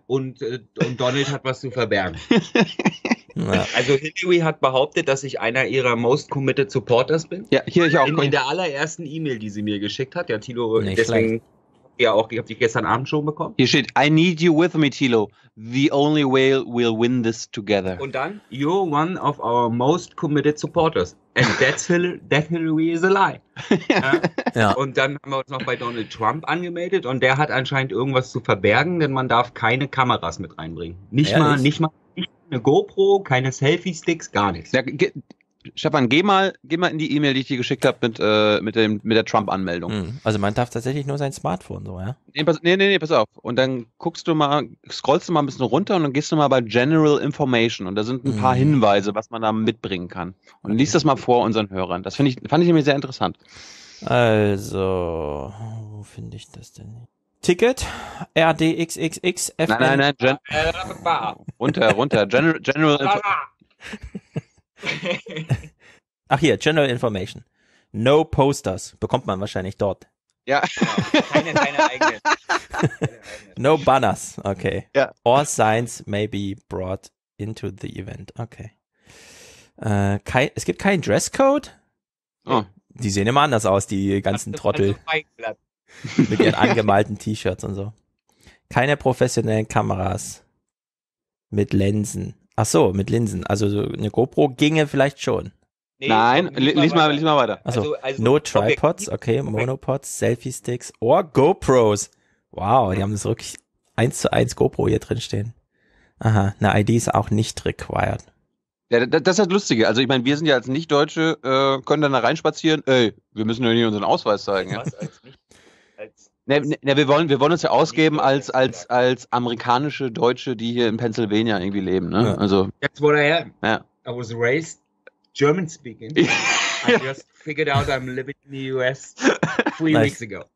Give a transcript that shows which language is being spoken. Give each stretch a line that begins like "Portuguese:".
German: Und Donald hat was zu verbergen. Ja. Also Hillary hat behauptet, dass ich einer ihrer
English: most committed supporters
German: bin. Ja, hier ich auch. In der allerersten E-Mail, die sie mir geschickt hat. Ja, Thilo, nicht deswegen ja auch, ich habe die gestern Abend schon bekommen. Hier steht,
English: I need you with me, Thilo. The only way we'll win this together.
German: Und dann,
English: you're one of our most committed supporters. And that's Hillary is a lie.
German: Ja. Ja. Und dann haben wir uns noch bei Donald Trump angemeldet und der hat anscheinend irgendwas zu verbergen, denn man darf keine Kameras mit reinbringen. Nicht mal eine GoPro, keine Selfie-Sticks, gar nichts. Ja, Stefan, geh mal in die E-Mail, die ich dir geschickt habe mit der Trump-Anmeldung. Mhm. Also man darf tatsächlich nur sein Smartphone so, ja? Nee, pass auf. Und dann scrollst du mal ein bisschen runter und dann gehst du mal bei General Information und da sind ein paar Hinweise, was man da mitbringen kann. Und liest das mal vor unseren Hörern. Das fand ich nämlich sehr interessant. Also, wo finde ich das denn? Ticket, RDXXX, FN. Nein, runter. General Information. Ach hier, General Information.
English: No Posters,
German: bekommt man wahrscheinlich dort. Ja. Keine eigene.
English: No Banners,
German: okay.
English: Yeah. All signs may be brought into the event, okay.
German: Es gibt keinen Dresscode? Oh. Die sehen immer anders aus, die ganzen Trottel. Mit ihren angemalten T-Shirts und so. Keine professionellen Kameras mit Linsen. Ach so, mit Linsen. Also so eine GoPro ginge vielleicht schon. Nein, lies mal weiter. Ach so. Also
English: no Tripods,
German: okay. Monopods, Selfie-Sticks oder GoPros. Wow, die haben das wirklich 1:1 GoPro hier drin stehen. Aha, eine ID ist auch nicht required. Ja, das ist das Lustige. Also ich meine, wir sind ja als Nicht-Deutsche, können dann da reinspazieren. Ey, wir müssen ja nicht unseren Ausweis zeigen. Ja? Wir wollen uns ja ausgeben als amerikanische Deutsche, die hier in Pennsylvania irgendwie leben. Ne? Ja. Also,
English: that's what I am. Ja. I was raised German-speaking. I just figured out I'm living in the US 3 weeks ago.